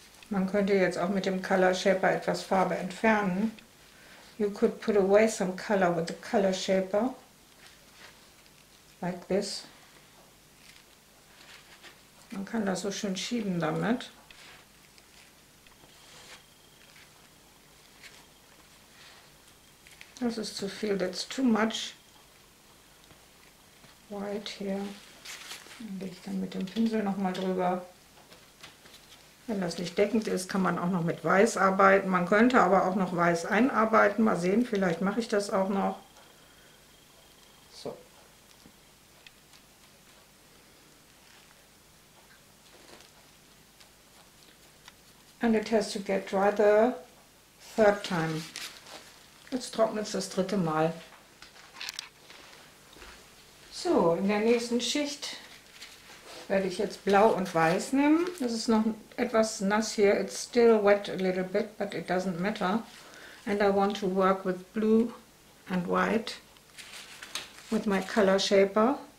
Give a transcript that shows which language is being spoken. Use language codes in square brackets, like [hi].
[de] Man könnte jetzt auch mit dem Color Shaper etwas Farbe entfernen. [en] You could put away some color with the Color Shaper. Like this. [de] Man kann das so schön schieben damit. Das ist zu viel, [en] that's too much white here. [de] Dann gehe ich dann mit dem Pinsel nochmal drüber. Wenn das nicht deckend ist, kann man auch noch mit Weiß arbeiten. Man könnte aber auch noch Weiß einarbeiten. Mal sehen, vielleicht mache ich das auch noch. [en] And it has to get dry the third time. [de] Jetzt trocknet es das dritte Mal. So, in der nächsten Schicht werde ich jetzt blau und weiß nehmen. Das ist noch etwas nass hier. [en] It's still wet a little bit, but it doesn't matter. And I want to work with blue and white with my color shaper.